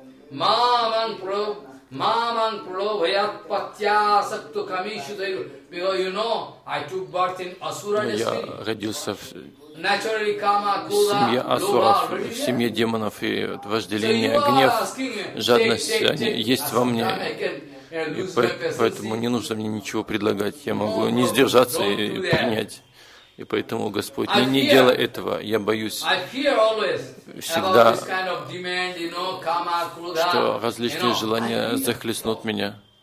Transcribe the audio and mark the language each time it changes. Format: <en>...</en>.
<sa>Маман пролобхаят патья сакту камишу тайру.</sa> <en>Because you know, I took birth in Asura district.</en> <ru>Я родился в</ru> <en>naturally, kama, kula,</en> <ru>в семье асуров, в семье демонов, и вожделение, гнев, жадность, они есть во мне. И поэтому не нужно мне ничего предлагать. Я могу не сдержаться и принять. И поэтому, Господь, не делай этого. Я боюсь всегда, что различные желания захлестнут меня.</ru>